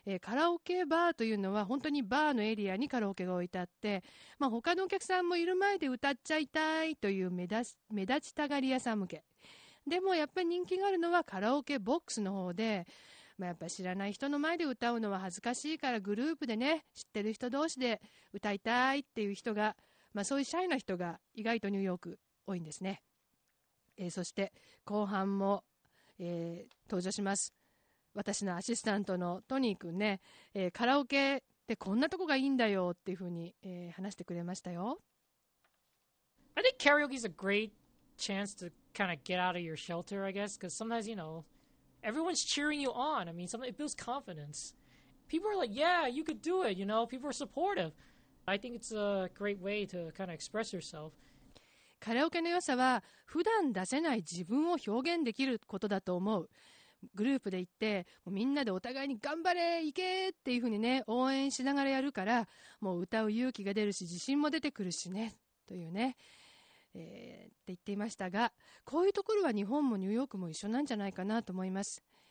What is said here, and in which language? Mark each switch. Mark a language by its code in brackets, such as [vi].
[ja] カラオケバーというのは本当にバーのエリアにカラオケが置いてあって、まあ、他のお客さんもいる前で歌っちゃいたいという目立ちたがり屋さん向けでも、やっぱり人気があるのはカラオケボックスの方で、まあ、やっぱ知らない人の前で歌うのは恥ずかしいから、グループでね、知ってる人同士で歌いたいっていう人が、まあ、そういうシャイな人が意外とニューヨーク多いんですね。そして後半も、登場します、私のアシスタントのトニー君ね。カラオケってこんなとこがいいんだよっていうふうに、話してくれましたよ。 [en] I think karaoke is a great chance to kind of get out of your shelter, I guess, because sometimes, you know, everyone's cheering you on. I mean, it builds confidence. People are like, yeah, you could do it, you know, people are supportive. I think it's a great way to kind of express yourself. [ja] カラオケの良さは普段出せない自分を表現できることだと思う。グループで行って、もうみんなでお互いに頑張れ、行けっていう風にね、応援しながらやるから、もう歌う勇気が出るし、自信も出てくるしね、というね、って言っていましたが、こういうところは日本もニューヨークも一緒なんじゃないかなと思います。